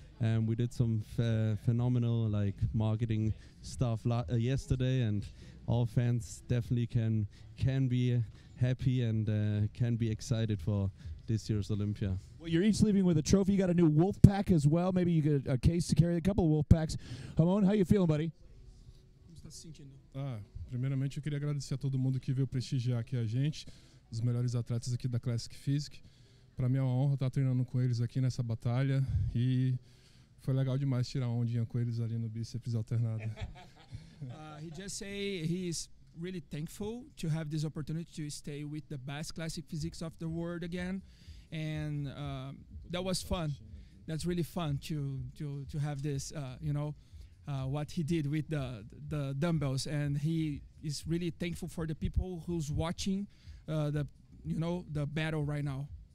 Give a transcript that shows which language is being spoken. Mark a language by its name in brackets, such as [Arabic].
[English] And we did some phenomenal like marketing stuff yesterday, and all fans definitely can be happy and can be excited for this year's Olympia. Well, you're each leaving with a trophy. You got a new wolf pack as well. Maybe you get a case to carry, a couple of wolf packs. Ramon, how you feeling, buddy? [Portuguese] Ah, primeiramente eu queria agradecer a todo mundo que veio prestigiar aqui a gente, os melhores atletas aqui da Classic Physique. Para mim é uma honra estar treinando com eles aqui nessa batalha, e foi legal demais tirar ondinha com eles ali no bíceps alternado. [English] He just say he is really thankful to have this opportunity to stay with the best Classic Physiques of the world again, and that was fun. That's really fun to have this, you know. What he did with the dumbbells, and he is really thankful for the people who's watching the battle right now.